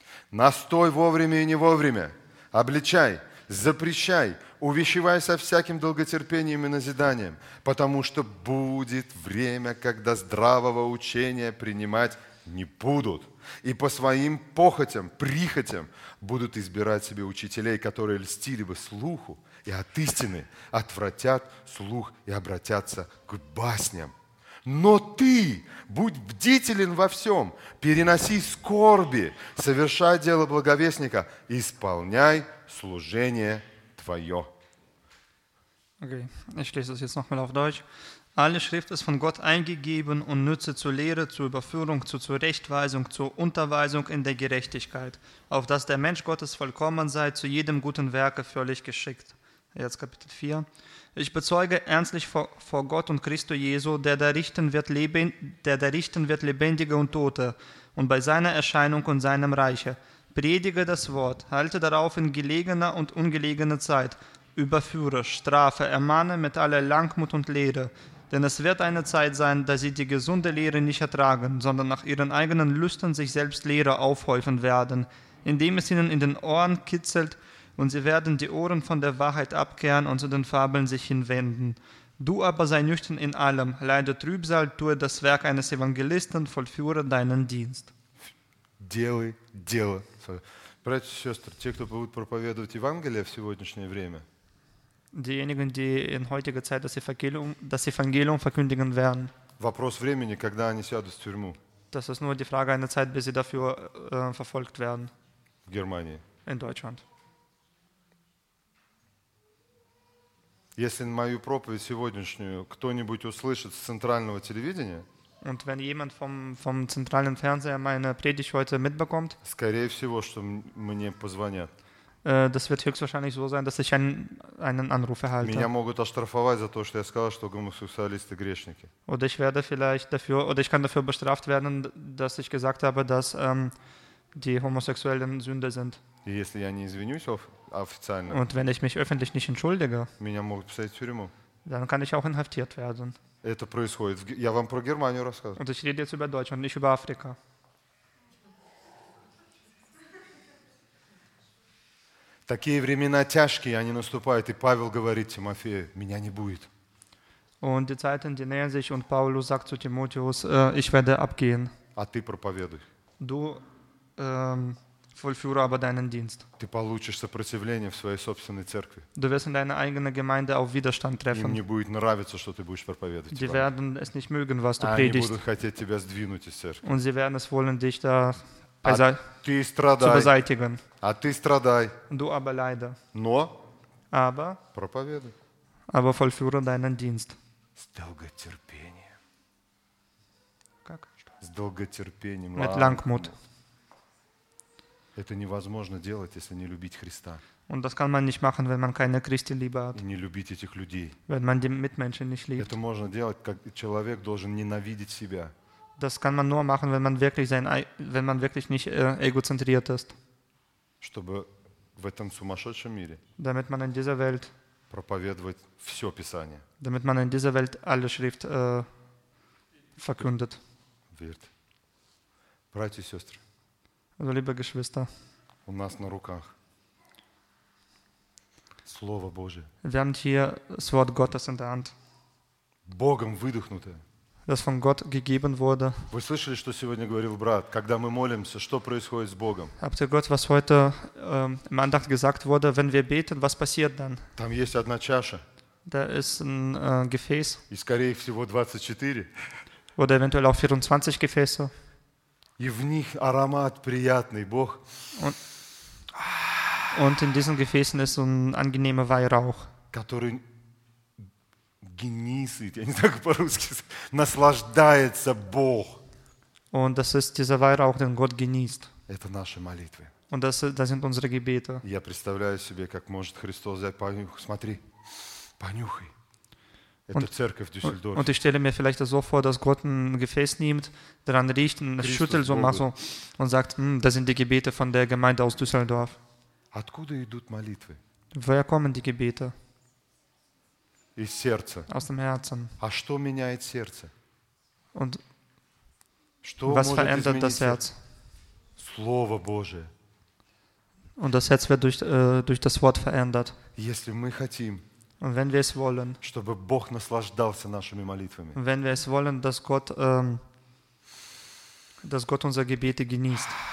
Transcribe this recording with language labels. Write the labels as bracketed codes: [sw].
[ru] Настой вовремя и не вовремя, обличай, запрещай, увещевай со всяким долготерпением и назиданием, потому что будет время, когда здравого учения принимать не будут, и по своим похотям, прихотям будут избирать себе учителей, которые льстили бы слуху и от истины отвратят слух и обратятся к басням. Но ты будь бдителен во всем, переноси скорби, совершай дело благовестника, исполняй служение твое. [de] Okay, ich lese das jetzt nochmal auf Deutsch. Alle Schrift ist von Gott eingegeben und nütze zur Lehre, zur Überführung, zur Zurechtweisung, zur Unterweisung in der Gerechtigkeit, auf dass der Mensch Gottes vollkommen sei, zu jedem guten Werke völlig geschickt. Jetzt Kapitel 4. Ich bezeuge ernstlich vor Gott und Christo Jesu, der da richten wird Lebendige und Tote, und bei seiner Erscheinung und seinem Reiche. Predige das Wort, halte darauf in gelegener und ungelegener Zeit, überführe, strafe, ermahne mit aller Langmut und Lehre. Denn es wird eine Zeit sein, da sie die gesunde Lehre nicht ertragen, sondern nach ihren eigenen Lüsten sich selbst Lehre aufhäufen werden, indem es ihnen in den Ohren kitzelt, und sie werden die Ohren von der Wahrheit abkehren und zu den Fabeln sich hinwenden. Du aber sei nüchtern in allem, leide Trübsal, tue das Werk eines Evangelisten, vollführe deinen Dienst. [ru] Делай дело. Братья и сестры, те, кто будут проповедовать Евангелие в сегодняшнее время, [de] diejenigen, die in heutiger Zeit das Evangelium verkündigen werden, [ru] вопрос времени, когда они сядут в тюрьму. [de] Das ist nur die Frage einer Zeit, bis sie dafür verfolgt werden. [ru] В Германии. [de] In Deutschland. [ru] Если мою проповедь сегодняшнюю кто-нибудь услышит с центрального телевидения, [de] und wenn jemand vom zentralen Fernseher meine Predigt heute mitbekommt, [ru] скорее всего, что мне позвонят. [de] Das wird höchstwahrscheinlich so sein, dass ich einen Anruf erhalte. [ru] Меня могут оштрафовать за то, что я сказал, что гомосексуалисты грешники. [de] Oder ich werde vielleicht dafür, oder ich kann dafür bestraft werden, dass ich gesagt habe, dass die Homosexuellen Sünder sind. [ru] И если я не извинюсь официально, [de] und wenn ich mich öffentlich nicht entschuldige, [ru] меня могут посадить в тюрьму. [de] Dann kann ich auch inhaftiert werden. [ru] Это происходит. Я вам про Германию рассказываю. [de] Und ich rede jetzt über Deutschland, nicht über Afrika. [ru] Такие времена тяжкие, они наступают. И Павел говорит Тимофею, меня не будет. [de] Und die Zeiten, die nähern sich, und Paulus sagt zu Timotheus, ich werde abgehen. [ru] А ты проповедуй. [de] Du vollführe aber deinen Dienst. [ru] Ты получишь сопротивление в своей собственной церкви. [de] Du wirst in deiner eigenen Gemeinde auf Widerstand treffen. [ru] Им не будет нравиться, что ты будешь проповедовать. [de] Die werden es nicht mögen, was du [ru] они [de] predigst. [ru] Будут хотеть тебя сдвинуть из церкви. [de] Und sie werden es wollen, dich da [ru] ты страдай, [de] zu beseitigen. [ru] А ты страдай. [de] Du aber leider. [ru] Но [de] aber [ru] проповедуй. [de] Aber vollführe deinen Dienst. [ru] С долготерпением. Как? С долготерпением. [de] Mit Langmut. [ru] Это невозможно делать, если не любить Христа. [de] Und das kann man nicht machen, wenn man keine Christi Liebe hat. [ru] И не любить этих людей. [de] Wenn man die Mitmenschen nicht liebt. [ru] Это можно делать, как человек должен ненавидеть себя. [de] Das kann man nur machen, wenn man wirklich nicht egozentriert ist. [ru] Чтобы в этом сумасшедшем мире. [de] Damit man in dieser Welt [ru] проповедовать все Писание. [de] Damit man in dieser Welt alle Schrift verkündet. Wird. [ru] Братья и сестры. [de] Also, liebe Geschwister, [ru] у нас на руках Слово Божие. [de] Wir haben hier das Wort Gottes in der Hand. [ru] Богом выдохнутое. [de] Das von Gott gegeben wurde. [ru] Вы слышали, что сегодня говорил брат, когда мы молимся, что происходит с Богом? [de] Habt ihr gehört, was heute im Andacht gesagt wurde, wenn wir beten, was passiert dann? [ru] Там есть одна чаша. [de] Da ist ein Gefäß. [ru] И скорее всего 24. [de] Oder eventuell auch 24 Gefäße. [ru] И в них аромат приятный, Бог. [de] Und in diesen Gefäßen ist ein angenehmer Weihrauch. [ru] Который [de] genießt, [ru] я не знаю, как по-русски, наслаждается Бог. [de] Und das ist dieser Weihrauch, den Gott genießt. [ru] Это наши молитвы. [de] Und das sind unsere Gebete. [ru] Я представляю себе, как может Христос взять, понюхай, смотри, понюхай. Это церковь Дюссельдорф. [de] Und ich stelle mir vielleicht so vor, dass Gott ein Gefäß nimmt, daran riecht, und schüttelt so mal so und sagt, das sind die Gebete von der Gemeinde aus Düsseldorf. [ru] Откуда идут молитвы? [de] Woher kommen die Gebete? [ru] Из сердца. [de] Aus dem Herzen. [ru] А что меняет сердце? [de] Und [ru] что [de] was verändert das Herz? [ru] Слово Божие. [de] Und das Herz wird durch das Wort verändert. [ru] Если мы хотим, [de] und wenn wir es wollen, [ru] чтобы Бог наслаждался нашими молитвами, [de] wenn wir es wollen, dass Gott unsere Gebete genießt.